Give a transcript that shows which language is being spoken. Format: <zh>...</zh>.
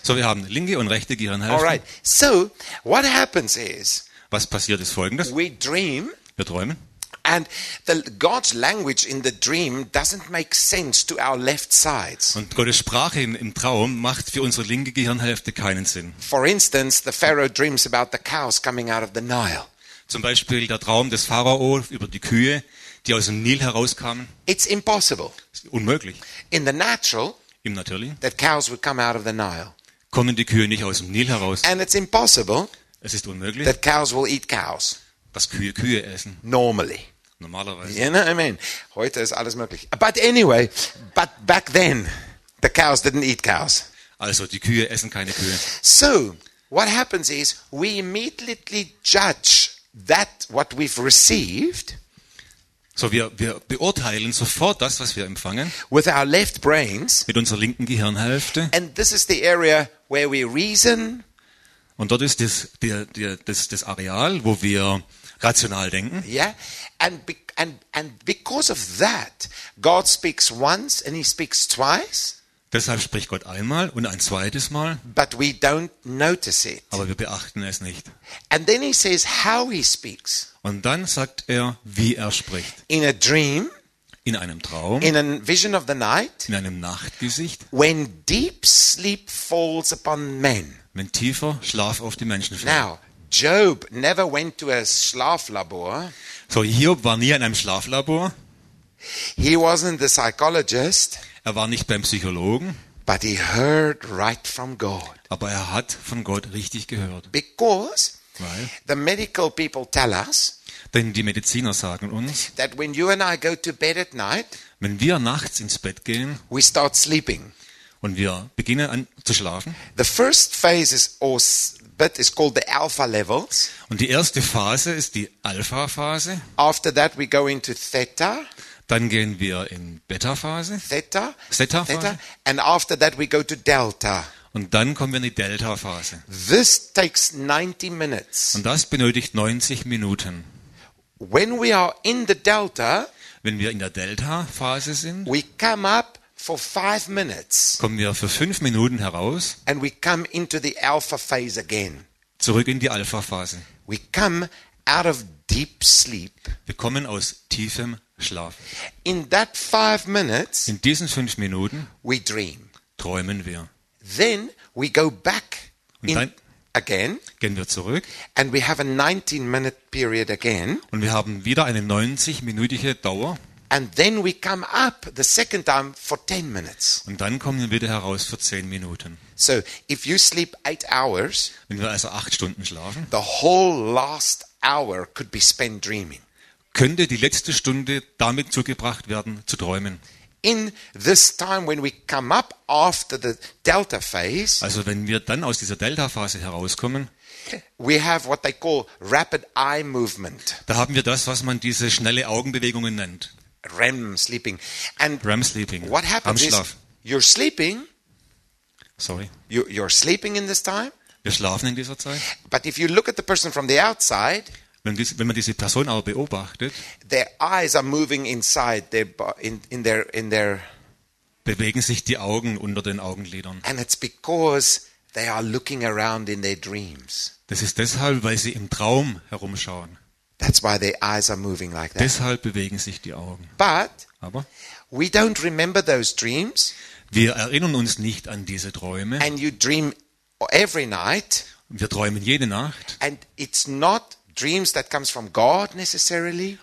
<de>So wir haben linke und rechte Gehirnhälfte.</de> <en>All right. So what happens is.</en> <de>Was passiert ist Folgendes.</de> <en>We dream.</en> <de>Wir träumen.</de> <en>And the God's language in the dream doesn't make sense to our left sides.</en> <de>Und Gottes Sprache im Traum macht für unsere linke Gehirnhälfte keinen Sinn.</de> <en>For instance, the Pharaoh dreams about the cows coming out of the Nile.</en> <de>Zum Beispiel der Traum des Pharao über die Kühe, die aus dem Nil herauskamen.</de> <en>It's impossible.</en> <de>Unmöglich.</de> <en>In the natural,</en> <de>im Natürlichen,</de> <en>that cows would come out of the Nile.</en> <de>Kommen die Kühe nicht aus dem Nil heraus.</de> <en>And it's impossible,</en> <de>es ist unmöglich,</de> <en>that cows will eat cows.</en> <de>Dass Kühe Kühe essen.</de> <en>Normally.</en> <de>Normalerweise.</de> <en>You know what I mean?</en> <de>Heute ist alles möglich.</de> <en>But anyway, but back then, the cows didn't eat cows.</en> <de>Also, die Kühe essen keine Kühe.</de> <en>So, what happens is, we immediately judge that what we've received.</en> <de>So wir beurteilen sofort das, was wir empfangen.</de> <en>With our left brains.</en> <de>Mit unserer linken Gehirnhälfte.</de> <en>And this is the area where we reason.</en> <de>Und dort ist das Areal, wo wir rational denken.</de> <en>Yeah. And because of that, God speaks once and he speaks twice.</en> <de>Deshalb spricht Gott einmal und ein zweites Mal.</de> <en>But we don't notice it.</en> <de>Aber wir beachten es nicht.</de> <en>And then he says how he speaks.</en> <de>Und dann sagt er, wie er spricht.</de> <en>In a dream.</en> <de>In einem Traum.</de> <en>In a vision of the night.</en> <de>In einem Nachtgesicht.</de> <en>When deep sleep falls upon men.</en> <de>Wenn tiefer Schlaf auf die Menschen fällt.</de> <en>Now, Job never went to a Schlaflabor.</en> <de>So Hiob war nie in einem Schlaflabor.</de> <en>He wasn't the psychologist.</en> <de>Er war nicht beim Psychologen.</de> <en>But he heard right from God.</en> <de>Aber er hat von Gott richtig gehört.</de> <en>Because</en> <de>weil</de> <en>the medical people tell us,</en> <de>denn die Mediziner sagen uns,</de> <en>that when you and I go to bed at night,</en> <de>wenn wir nachts ins Bett gehen,</de> <en>we start sleeping.</en> <de>Und wir beginnen an zu schlafen.</de> <en>The first phase is but it's called the alpha levels.</en> <de>Und die erste Phase ist die Alpha Phase.</de> <en>After that we go into theta.</en> <de>Dann gehen wir in Beta Phase.</de> <en>Theta.</en> <de>Theta Phase.</de> <en>And after that we go to delta.</en> <de>Und dann kommen wir in die Delta Phase.</de> <en>This takes 90 minutes.</en> <de>Und das benötigt 90 Minuten.</de> <en>When we are in the delta,</en> <de>wenn wir in der Delta Phase sind,</de> <en>we come up for 5 minutes.</en> <de>Kommen wir für 5 Minuten heraus.</de> <en>And we come into the alpha phase again.</en> <de>Zurück in die Alpha Phase.</de> <en>We come out of deep sleep.</en> <de>Wir kommen aus tiefem Schlaf.</de> <en>In that 5 minutes.</en> <de>In diesen 5 Minuten.</de> <en>We dream.</en> <de>Träumen wir.</de> <en>Then we go back in again.</en> <de>Gehen wir zurück.</de> <en>And we have a 19-minute period again.</en> <de>Und wir haben wieder eine 90-minütige Dauer.</de> <en>And then we come up the second time for 10 minutes.</en> <de>Und dann kommen wir wieder heraus für 10 Minuten.</de> <en>So, if you sleep 8 hours,</en> <de>wenn wir also 8 Stunden schlafen,</de> <en>the whole last hour could be spent dreaming.</en> <de>Könnte die letzte Stunde damit zugebracht werden zu träumen.</de> <en>In this time when we come up after the delta phase,</en> <de>also wenn wir dann aus dieser Delta Phase herauskommen,</de> <en>We have what they call rapid eye movement.</en> <de>Da haben wir das, was man diese schnelle Augenbewegungen nennt.</de> <en>REM sleeping. And REM sleeping. What happens is you're sleeping. Sorry. You're sleeping in this time.</en> <de>Wir schlafen in dieser Zeit.</de> <en>But if you look at the person from the outside,</en> <de>wenn man diese Person aber beobachtet,</de> <en>their eyes are moving inside their in their</en> <de>bewegen sich die Augen unter den Augenlidern.</de> <en>And it's because they are looking around in their dreams.</en> <de>Das ist deshalb, weil sie im Traum herumschauen.</de> <en>That's why their eyes are moving like that.</en> <de>Deshalb bewegen sich die Augen.</de> <en>But</en> <de>aber</de> <en>we don't remember those dreams.</en> <de>Wir erinnern uns nicht an diese Träume.</de> <en>And you dream every night.</en> <de>Wir träumen jede Nacht.</de> <en>And it's not dreams that comes from God necessarily.</en>